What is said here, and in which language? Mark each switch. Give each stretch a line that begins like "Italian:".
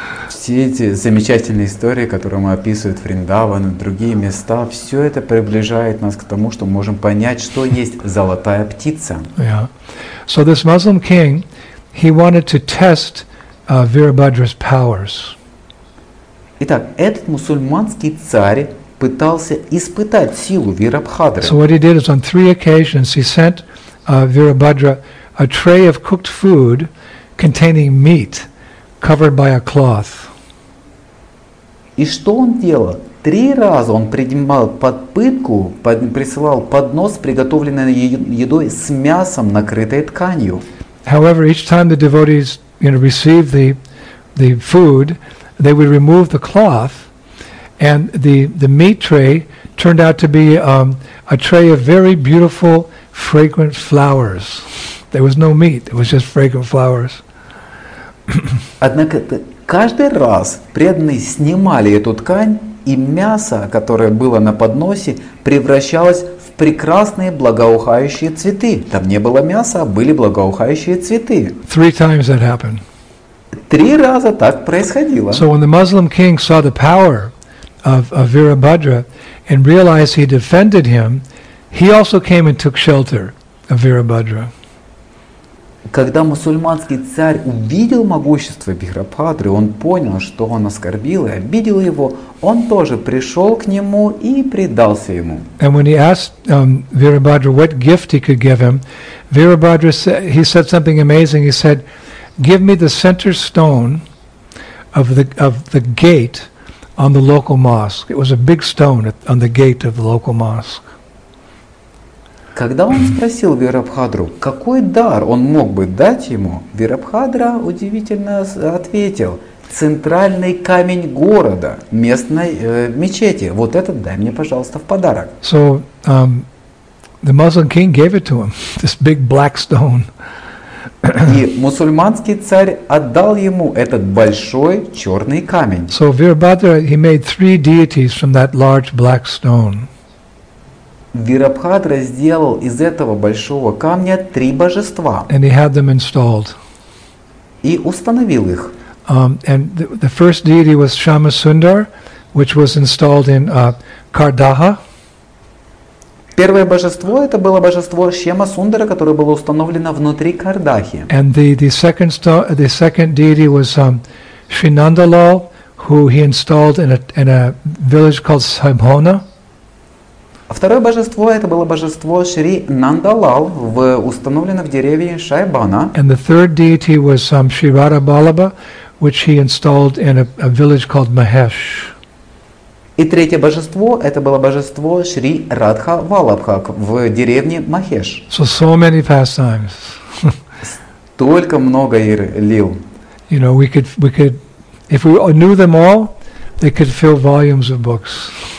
Russian: Все эти замечательные истории, которые мы описываем, Вриндаван и другие места, все это приближает нас к тому, что мы можем понять, что есть золотая птица.
English: Yeah. So this Muslim king, he wanted to test Virabhadra's powers.
Russian: Итак, этот мусульманский царь пытался испытать силу Вирабхадры.
English: So what he did is on three occasions he sent Virabhadra a tray of cooked food containing meat covered by a cloth.
Russian: И что он делал? Три раза он принимал под пытку, присылал поднос, приготовленный едой с мясом, накрытой тканью.
English: However, each time the devotees, you know, received the food, they would remove the cloth, and the meat tray turned out to be a tray of very beautiful, fragrant flowers. There was no meat, it was just fragrant flowers.
Russian: Однако каждый раз преданные снимали эту ткань, и мясо, которое было на подносе, превращалось в прекрасные благоухающие цветы. Там не было мяса, а были благоухающие цветы.
English: Three times that happened.
Russian: Три раза так происходило.
English: So when the Muslim king saw the power of Virabhadra and realized he defended him, he also came and took shelter of Virabhadra.
Russian: Когда мусульманский царь увидел могущество Вирабхадры, он понял, что он оскорбил и обидел его, он тоже пришел к нему и предался ему.
English: And when he asked Virabhadra what gift he could give him, Virabhadra he said something amazing. He said, "Give me the center stone of the gate on the local mosque." It was a big stone on the gate of the local mosque.
Russian: Когда он спросил Вирабхадру, какой дар он мог бы дать ему, Вирабхадра удивительно ответил, центральный камень города, местной мечети, вот этот дай мне, пожалуйста, в подарок.
English: So, the Muslim king gave it to him, this big black stone.
Russian: И мусульманский царь отдал ему этот большой черный камень.
English: So, Вирабхадра, he made three deities from that large black stone.
Russian: Вирабхадра сделал из этого большого камня три божества.
English: And he had them installed.
Russian: И установил их.
English: And the first deity was Shyamasundar, which was installed in Kardaha.
Russian: Первое божество это было божество Шьямасундара, которое было установлено внутри Кардахи.
English: And the second deity was Shrinandalal, who he installed in a village called Sibhona.
Russian: Второе божество – это было божество Шри Нандалал, установлено в деревне Шайбана.
English: And the third deity was Shri Radha Balaba, which he installed in a village called Mahesh.
Russian: И третье божество – это было божество Шри Радха Валабха в деревне Махеш.
English: So many pastimes.
Russian: Столько много лил.
English: You know, we could, if we knew them all, they could fill volumes of books.